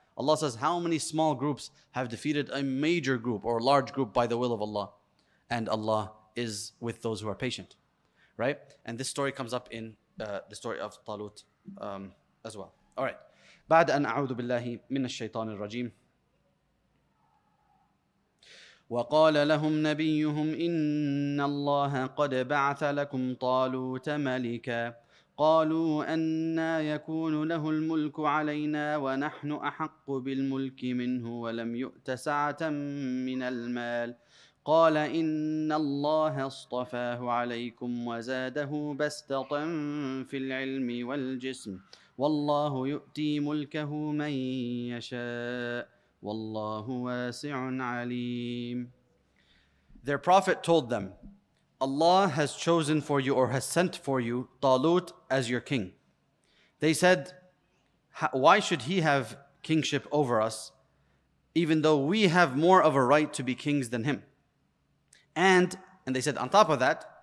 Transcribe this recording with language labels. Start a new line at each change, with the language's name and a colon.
English: Allah says, how many small groups have defeated a major group or a large group by the will of Allah? And Allah is with those who are patient, right? And this story comes up in the story of Talut as well. All right.
Arabic: بعد أن أعوذ بالله من الشيطان الرجيم وقال لهم نبيهم إن الله قد بعث لكم طالوت ملكا قالوا أنى يكون له الملك علينا ونحن أحق بالملك منه ولم يؤت سعة من المال قال إن الله اصطفاه عليكم وزاده بسطة في العلم والجسم والله يؤتي ملكه من يشاء والله واسع عليم.
English: Their prophet told them, Allah has chosen for you or has sent for you Talut as your king. They said, why should he have kingship over us, even though we have more of a right to be kings than him? And they said, on top of that,